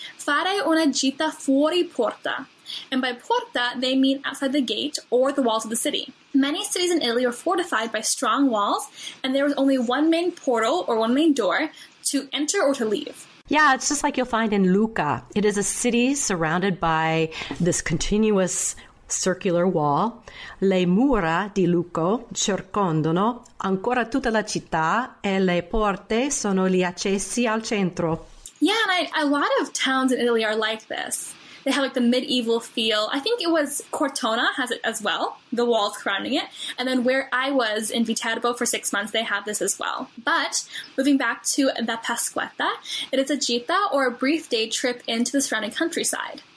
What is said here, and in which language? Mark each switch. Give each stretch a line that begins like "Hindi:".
English: Fare una gita fuori porta. And by porta, they mean outside the gate or the walls of the city. Many cities in Italy were fortified by strong walls, and there was only one main portal or one main door to enter or to leave. Yeah, it's just like you'll find in Lucca. It is a city surrounded by this continuous circular wall.
Italian: Le mura di Lucco circondano ancora tutta la città e le porte sono gli accessi al centro.
English: Yeah, and a lot of towns in Italy are like this. They have like the medieval feel. I think it was Cortona has it as well, the walls surrounding it. And then where I was in Viterbo for 6 months, they have this as well. But moving back to the Pasquetta, it is a gita or a brief day trip into the surrounding countryside.